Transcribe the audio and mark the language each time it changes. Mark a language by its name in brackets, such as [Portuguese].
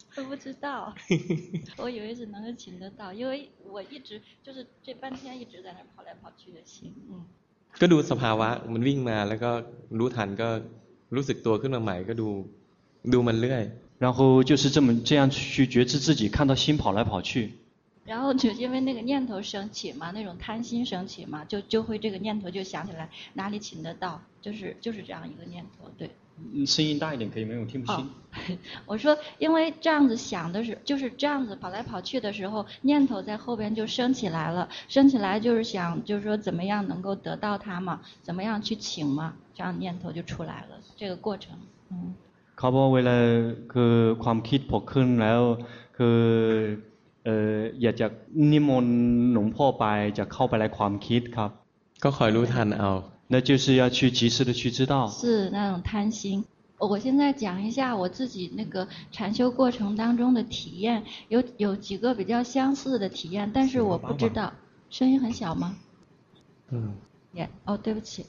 [Chinese] 不知道我以为是能够请得到因为我一直就是这半天一直在那跑来跑去的心 [Thai] ก็ดูสภาวะมันวิ่งมาแล้วก็รู้ทันก็รู้สึกตัวขึ้นมาใหม่ก็ดูมันเรื่อย [Chinese] 然后就是这样去觉知自己看到心跑来跑去然后就因为那个念头升起嘛那种贪心升起嘛就会这个念头就想起来哪里请得到就是这样一个念头对声音大一点可以没有听不清、哦、我说因为这样子想的是就是这样子跑来跑去的时候念头在后边就升起来了升起来就是想就是说怎么样能够得到它嘛怎么样去请嘛这样念头就出来了这个过程 [Thai] ครับเวลาคือความคิดพอขึ้นแล้วคืออยากจะนิมนต์หลวงพ่อไปจะเข้าไปในความคิดครับ ก็คอยรู้ทันเอา [Chinese] 那就是要去及时的去知道是那种贪心我现在讲一下我自己那个禅修过程当中的体验有几个比较相似的体验但是我不知道声音很小吗嗯也、yeah, 哦对不起